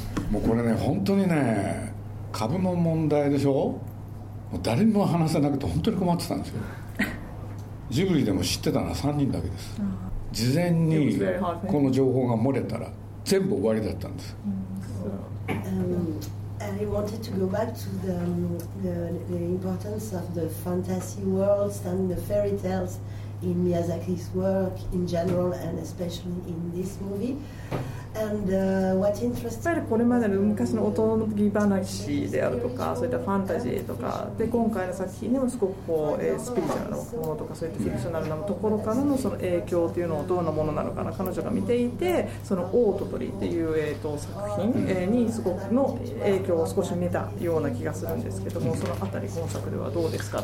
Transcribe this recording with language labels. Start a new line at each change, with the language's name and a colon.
Japanese: もうこれね本当にね株の問題でしょもう誰にも話せなくて本当に困ってたんですよジブリでも知ってたのは3人だけです事前にこの情報が漏れたら全部終わりだったんです。
English: I wanted to go back to the importance of the fantasy worlds and the fairy tales in Miyazaki's work in general and especially in this movie.
Japanese: やはりこれまでの昔のおとぎ話であるとかそういったファンタジーとかで今回の作品でもすごくこう、スピリチュアルなものとかそういったフィクショナルなところから の, その影響というのをどんなものなのかな彼女が見ていてそのオートトリっていう、作品、にすごくの影響を少し見たような気がするんですけどもそのあたり今作ではどうですか